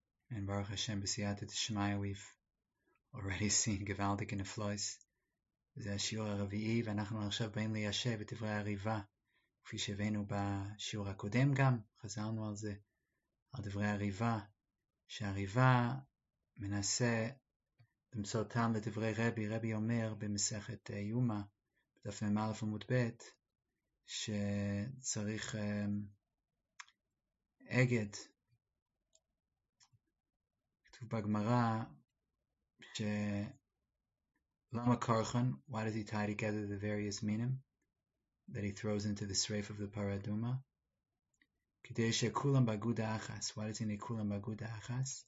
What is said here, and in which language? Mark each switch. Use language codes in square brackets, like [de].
[en] And Baruch Hashem B'siyata D'Shemaya, we've already seen Gevaldik and Eflois. This is Shiur HaRavi'i, and we are now going to Yashay B'Tivrei HaRiva, as we saw in the Shiur HaKodem, also we talked about HaRiva, [he] למצוא טעם לדברי רבי. רבי אומר במסכת יומא, בדף מ"א עמוד ב', שצריך אגד. כתוב בגמרא שלמה קרחן, [en] why does he tie together the various meanim that he throws into the shreif of the paraduma? [he] כדי שכולם באגודה אחת. [en] Why does he need [he] כולם באגודה אחת?